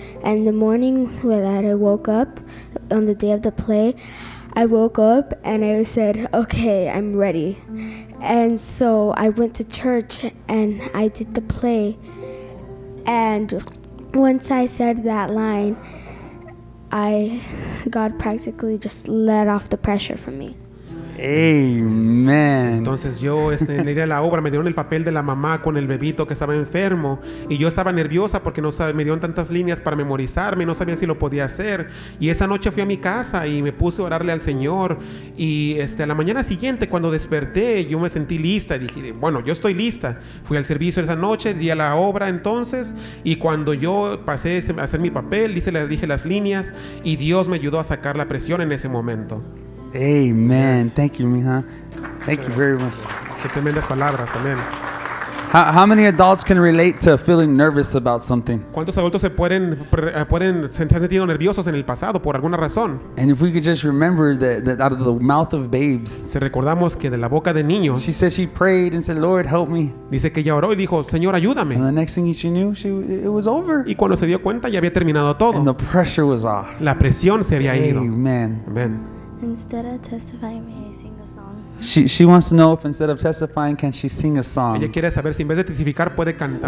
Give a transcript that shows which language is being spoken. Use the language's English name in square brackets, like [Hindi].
[English] And the morning that I woke up, on the day of the play, I woke up and I said, okay, I'm ready. And so I went to church and I did the play. And once I said that line, God practically just let off the pressure from me. Amen. [Spanish] Entonces yo en ir a la obra me dieron el papel de la mamá con el bebito que estaba enfermo, y yo estaba nerviosa porque no sabía, me dieron tantas líneas para memorizarme, no sabía si lo podía hacer. Y esa noche fui a mi casa y me puse a orarle al Señor, y a la mañana siguiente cuando desperté yo me sentí lista. Dije, bueno, yo estoy lista. Fui al servicio esa noche, di a la obra entonces, y cuando yo pasé a hacer mi papel, dije las líneas, y Dios me ayudó a sacar la presión en ese momento. [English] Amen. Thank you, mija. Thank you very much. [Spanish] Qué tremendas palabras. Amen. [English] How many adults can relate to feeling nervous about something? [Spanish] ¿Cuántos adultos se pueden sentir nerviosos en el pasado por alguna razón? [English] And if we could just remember that out of the mouth of babes. [Spanish] Si recordamos que de la boca de niños. [English] She said she prayed and said, "Lord, help me." [Spanish] Dice que ella oró y dijo, "Señor, ayúdame." [English] And the next thing she knew, it was over. [Spanish] Y cuando se dio cuenta, ya había terminado todo. [English] And the pressure was off. [Spanish] La presión se había ido. [English] Amen. Amen. Instead of testifying, may I sing a song? She wants to know if instead of testifying, can she sing a song? [Spanish] Ella quiere saber si en vez de testificar puede cantar.